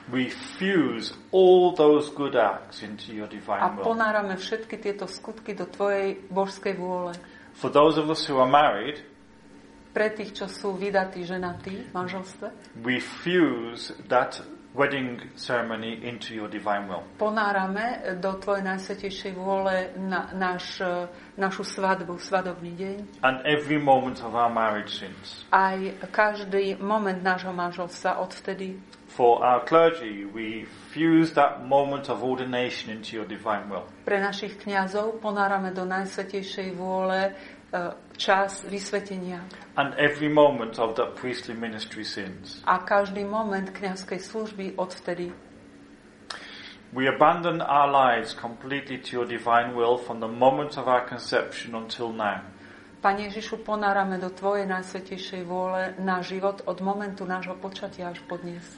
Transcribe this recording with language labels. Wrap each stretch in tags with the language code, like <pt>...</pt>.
<en>We fuse all those good acts into your divine will.</en> <sk>A ponárame všetky tieto skutky do tvojej božskej vôle.</sk> <en>For those of us who are married,</en> <sk>pre tých, čo sú vydatí ženatí v manželstve,</sk> <en>we fuse that wedding ceremony into your divine will.</en> <sk>Ponárame do tvojej najsvätejšej vôle našu svadbu, svadobný deň.</sk> <en>And every moment of our marriage since.</en> <sk>Aj každý moment nášho manželstva odvtedy.</sk> <en>For our clergy, we fuse that moment of ordination into your divine will.</en> <sk>Pre našich kňazov ponárame do najsvätejšej vôle čas vysvetenia.</sk> <en>And every moment of the priestly ministry since.</en> <sk>A každý moment kňazskej služby odvtedy.</sk> <en>We abandon our lives completely to your divine will from the moment of our conception until now.</en> <sk>Pane Ježišu, ponárame do tvojej najsvätejšej vôle náš život od momentu nášho počatia až po dnes.</sk>